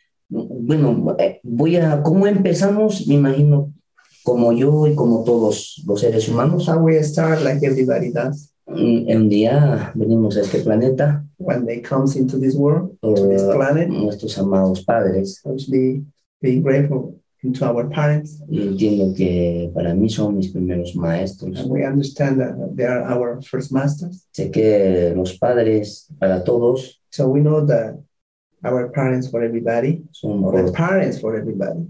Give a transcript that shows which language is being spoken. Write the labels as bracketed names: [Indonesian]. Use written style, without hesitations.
[Spanish] Bueno, voy a cómo empezamos, me imagino como yo y como todos los seres humanos. [English] How we start like everybody does. [Spanish] Un día venimos a este planeta. [English] When they comes into this world, or this planet, [Spanish] nuestros amados padres. [English] Actually, being grateful into our parents. [Spanish] Y entiendo que para mí son mis primeros maestros. [English] And we understand that they are our first masters. [Spanish] Sé que los padres para todos. [English] So we know that our parents for everybody, parents for everybody,